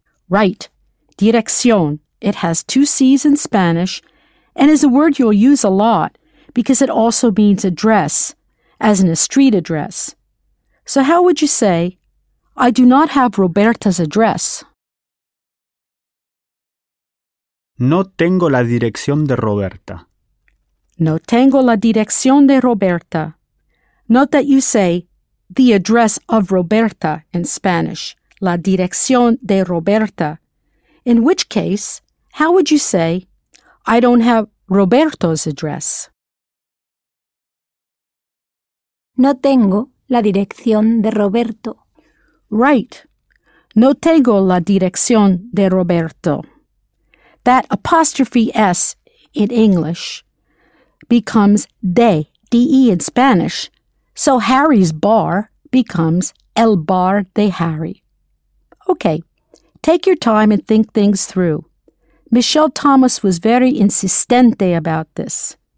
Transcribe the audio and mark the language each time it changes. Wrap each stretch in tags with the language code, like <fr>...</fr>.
<en>Right. Dirección. It has two C's in Spanish and is a word you'll use a lot because it also means address, as in a street address. So how would you say, I do not have Roberta's address?</en> <es>No tengo la dirección de Roberta. No tengo la dirección de Roberta.</es> <en>Note that you say, the address of Roberta in Spanish.</en> <es>La dirección de Roberta.</es> <en>In which case, how would you say, I don't have Roberto's address?</en> <es>No tengo la dirección de Roberto.</es> <en>Right.</en> <es>No tengo la dirección de Roberto.</es> <en>That apostrophe S in English becomes de, D-E in Spanish. So Harry's bar becomes</en> <es>el bar de Harry.</es> <en>Okay, take your time and think things through. Michelle Thomas was very insistente about this.</en>